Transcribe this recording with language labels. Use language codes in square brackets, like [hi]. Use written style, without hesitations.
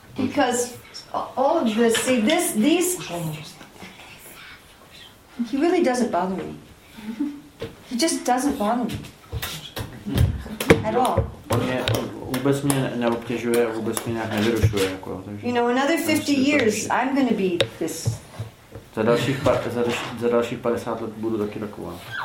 [en] Because all of this, see this, these. He really doesn't bother me. He just doesn't bother me at all. [cs] Vůbec mě neobtěžuje, vůbec mě nějak nevyrušuje. Jako, [en] you know, another 50 years, I'm going to be this. [cs] Za dalších 50 let budu taky taková.